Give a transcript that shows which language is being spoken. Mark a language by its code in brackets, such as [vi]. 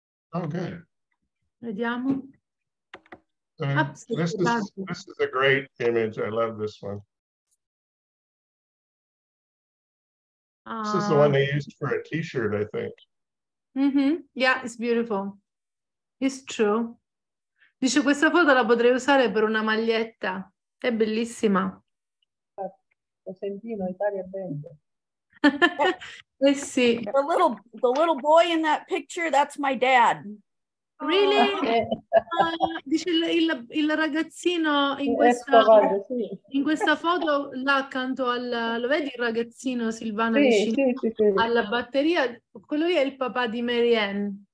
[en] Oh, good. [it] Vediamo. [en] This is a great image. I love this one. This is the one they used for a t-shirt, I think. Mm-hmm. Yeah, it's beautiful. It's true. [it] Dice, questa foto la potrei usare per una maglietta. È bellissima. Lo sentino, Italia è bello. Eh sì. [en] The little boy in that picture, that's my dad. Really? [it] Dice, il ragazzino in questa foto, là accanto al... Lo vedi il ragazzino, Silvano, sì, vicino sì. alla batteria? Quello lì è il papà di Mary Ann.